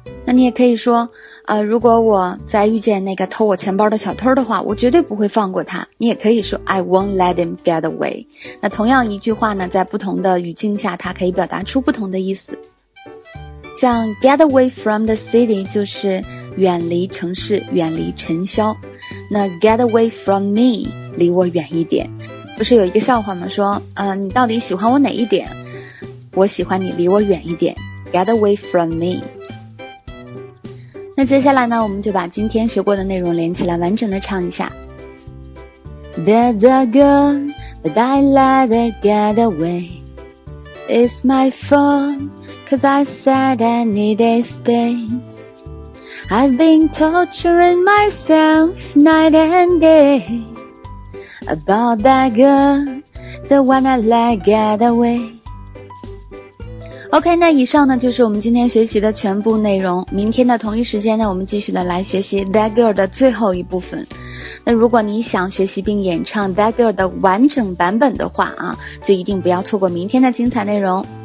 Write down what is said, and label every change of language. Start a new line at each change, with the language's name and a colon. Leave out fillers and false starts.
Chinese: 那你也可以说，如果我再遇见那个偷我钱包的小偷的话，我绝对不会放过他。你也可以说
English: I won't let him get away。
Chinese: 那同样一句话呢，在不同的语境下，它可以表达出不同的意思。像
English: get away from the city
Chinese: 就是远离城市，远离尘嚣。
English: 那 get away from me
Chinese: 离我远一点。不是有一个笑话吗？说你到底喜欢我哪一点？我喜欢你离我远一点，
English: get away from me。
Chinese: 那接下来呢，我们就把今天学过的内容连起来完整的唱一下。
English: There's a girl but I let her get away. It's my fault cause I said I needed space. I've been torturing myself night and dayAbout that girl, the one I let get away.
Chinese: OK, 那以上呢就是我们今天学习的全部内容。明天的同一时间呢，我们继续的来学习 That Girl 的最后一部分。那如果你想学习并演唱 That Girl 的完整版本的话啊，就一定不要错过明天的精彩内容。